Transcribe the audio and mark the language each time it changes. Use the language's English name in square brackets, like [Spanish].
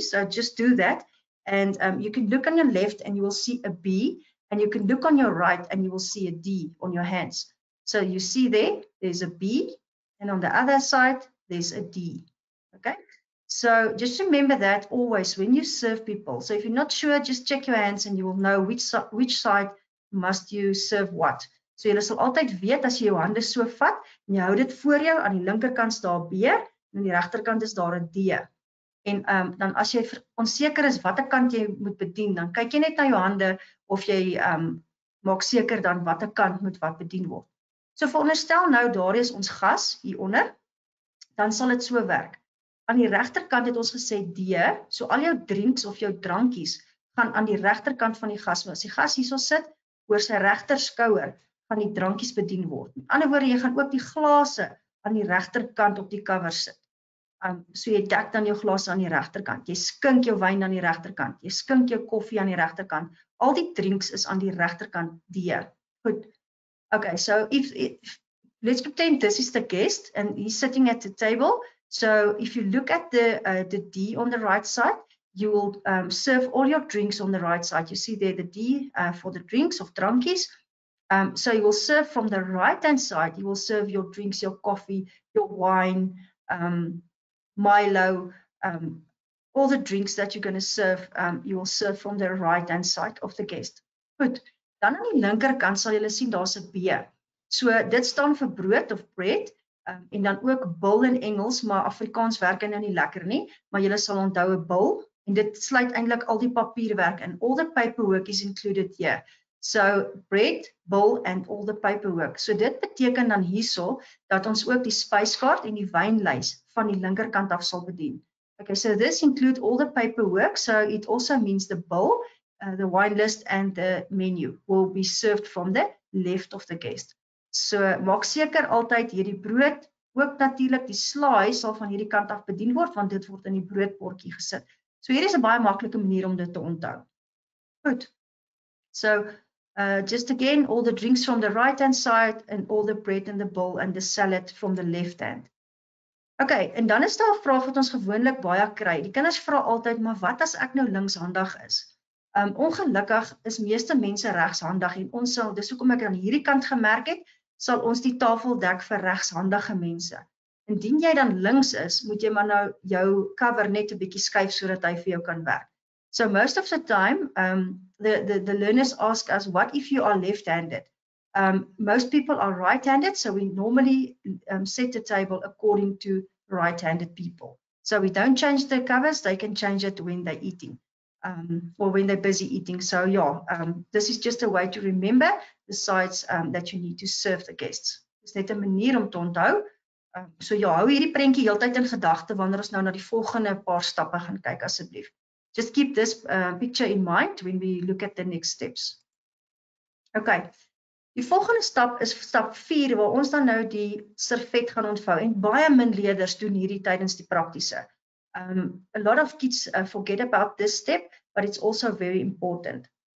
[English] So just do that. And you can look on your left and you will see a B, and you can look on your right and you will see a D on your hands. So you see there, there's a B, and on the other side, there's a D, okay? So just remember that always when you serve people. So if you're not sure, just check your hands and you will know which side must you serve what. [Afrikaans] So jy sal altyd weet as jy jou hande so vat en jy hou dit voor jou aan die linkerkant is daar B en aan die regterkant is daar 'n D. En dan as jy onseker is watter kant jy moet bedien, dan kyk jy net na jou hande of jy maak seker dan watter kant moet wat bedien word. So veronderstel nou daar is ons gas hieronder, dan sal dit so werk. Aan die regterkant het ons gesê D, so al jou drinks of jou drankies gaan aan die regterkant van die gas. As die gas hierso sit, oor sy regter skouer van die drankies bedien word. In ander woorde, jy gaan ook die glase aan die regterkant op die cover sit. So jy dek dan jou glase aan die regterkant. Jy skink jou wyn aan die regterkant. Jy skink jou koffie aan die regterkant. Al die drinks is aan die regterkant D. Goed. [English] Okay, so if let's pretend this is the guest and he's sitting at the table. So if you look at the D on the right side, you will serve all your drinks on the right side. You see there the D for the drinks of drankies. So you will serve from the right-hand side, you will serve your drinks, your coffee, your wine, Milo, all the drinks that you're going to serve, you will serve from the right-hand side of the guest. [Afrikaans] Goed, dan aan die linkerkant sal julle sien daar's 'n B. So dit staan vir brood of bread, en dan ook bil in Engels, maar Afrikaans werk nou nie lekker nie, maar julle sal onthou 'n bil, en dit sluit eintlik al die papierwerk in, [English] all the paperwork is included here. So bread, bowl and all the paperwork. [Afrikaans] So dit beteken dan hierso dat ons ook die spyskaart en die wynlys van die linkerkant af sal bedien. [English] Okay, so this include all the paperwork, so it also means the bill, the wine list and the menu will be served from the left of the guest. [Afrikaans] So maak seker altyd hierdie brood, ook natuurlik die slaai sal van hierdie kant af bedien word want dit word in die broodbordjie gesit. So hier is 'n baie maklike manier om dit te onthou. Goed. [English] So just again, all the drinks from the right-hand side and all the bread in the bowl and the salad from the left-hand. [Afrikaans] Okay, en dan is daar 'n vraag wat ons gewoonlik baie kry. Die kinders vra altyd, maar wat as ek nou linkshandig is? Ongelukkig is meeste mense regshandig en ons sal, dis hoekom ek aan hierdie kant gemerk het, sal ons die tafel dek vir regshandige mense. Indien jy dan links is, moet jy maar nou jou cover net 'n bietjie skuif sodat hy vir jou kan werk. [English] So most of the time, the learners ask us, what if you are left-handed? Most people are right-handed, so we normally set the table according to right-handed people. So we don't change the covers, they can change it when they're eating or when they're busy eating. So yeah, this is just a way to remember the sides that you need to serve the guests. [Afrikaans] It's net 'n manier om te onthou. So ja, hou hierdie prentjie heeltyd in gedagte wanneer ons nou na die volgende paar stappe gaan kyk asseblief. [English] Just keep this picture in mind when we look at the next steps. Okay. [Afrikaans] Die volgende stap is stap 4 waar ons dan nou die servet gaan ontvou en baie min leerders doen hierdie tydens die praktiese. [English] A lot of kids forget about this step, but it's also very important.